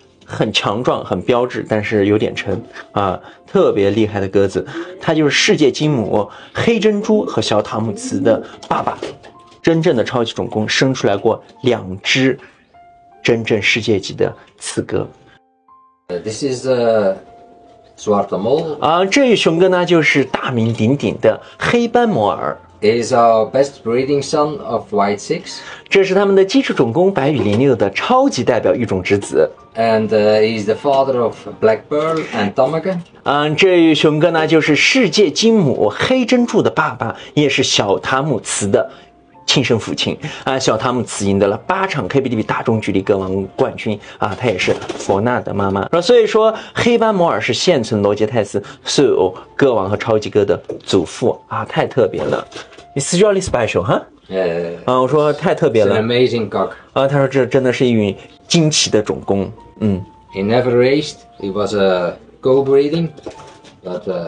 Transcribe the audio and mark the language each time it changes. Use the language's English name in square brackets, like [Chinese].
[Chinese] 很强壮，很标志，但是有点沉啊，特别厉害的鸽子，它就是世界金母黑珍珠和小塔姆斯的爸爸，真正的超级种公，生出来过2只真正世界级的雌鸽。 [English] This is a Swarte Mole [Chinese] 啊，这一雄鸽呢就是大名鼎鼎的黑斑摩尔。 [English] Is our best breeding son of White Six. [Chinese] 这是他们的基础种公白羽林六的超级代表育种之子。 [English] And is the father of Black Pearl and Ptarmigan. [Chinese] 这羽雄鸽呢就是世界金母黑珍珠的爸爸，也是小塔姆茨的亲生父亲。小塔姆茨赢得了8场 KBDB 大中距离鸽王冠军啊，他也是佛纳的妈妈。所以说黑斑摩尔是现存罗杰泰斯所有鸽王和超级鸽的祖父啊，太特别了。 [English] It's really special, huh? Yeah, [Chinese] 我说太特别了。 [English] An amazing cock. [Chinese] 他说这真的是一羽惊奇的种公。 [English] He never raced, it was a go breeding, but,